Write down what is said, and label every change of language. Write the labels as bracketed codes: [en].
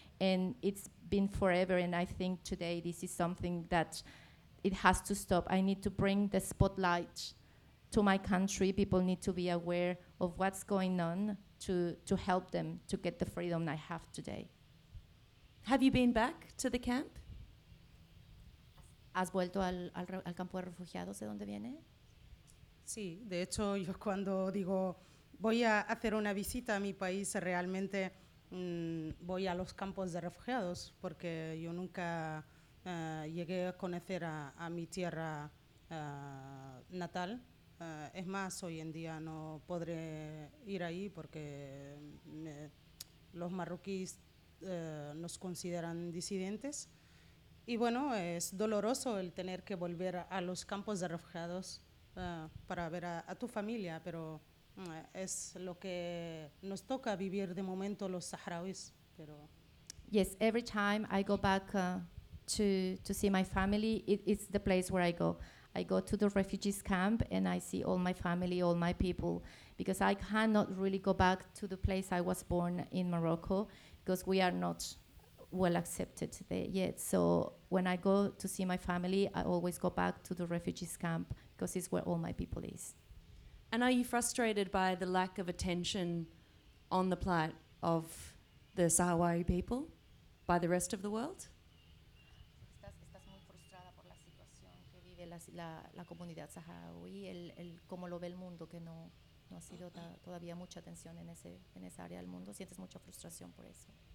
[en] And it's been forever, and I think today this is something that it has to stop. I need to bring the spotlight to my country. People need to be aware of what's going on to help them to get the freedom I have today. Have you been back to the camp? [es] ¿Has vuelto al campo de refugiados de donde viene? Sí, de hecho, yo cuando digo voy a hacer una visita a mi país, realmente voy a los campos de refugiados, porque yo nunca llegué a conocer a mi tierra natal. Es más, hoy en día no podré ir ahí porque los marroquíes nos consideran disidentes. Y bueno, es doloroso el tener que volver a los campos de refugiados para ver a tu familia, pero es lo que nos toca vivir de momento los saharauis. Pero [en] yes, every time I go back to see my family, it's the place where I go. I go to the refugees camp and I see all my family, all my people, because I cannot really go back to the place I was born in Morocco, because we are not well accepted there yet. So when I go to see my family, I always go back to the refugees camp, because it's where all my people is. And are you frustrated by the lack of attention on the plight of the Sahrawi people by the rest of the world? [es] Estás muy frustrada por la situación que vive la comunidad Sahrawi, el cómo lo ve el mundo, que no ha sido todavía mucha atención en esa área del mundo. ¿Sientes mucha frustración por eso?